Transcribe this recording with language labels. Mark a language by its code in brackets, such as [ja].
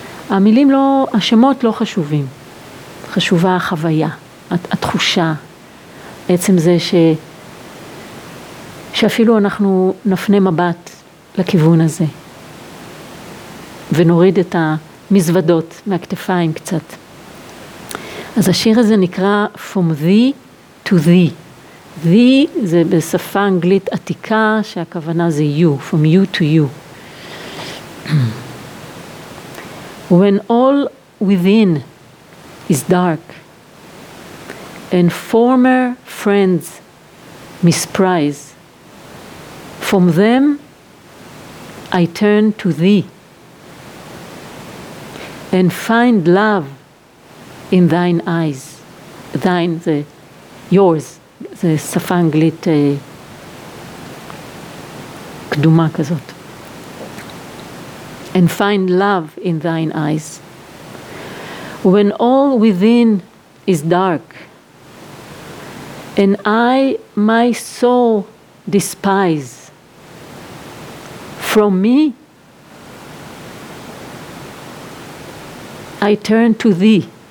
[he] המילים לא, השמות לא חשובים. חשובה החוויה, התחושה, עצם זה שאפילו אנחנו נפנה מבט לכיוון הזה, ונוריד את המזוודות מהכתפיים קצת. אז השיר הזה נקרא From Thee to Thee. The זה בשפה אנגלית עתיקה שהכוונה זה you, [en] from you to you. When all within is dark and former friends misprise, from them I turn to thee and find love in thine eyes. Thine זה yours. [he] זה שפה אנגלית קדומה כזאת. [en] and find love in thine eyes. When all within is dark, and I my soul despise, from me I turn to thee.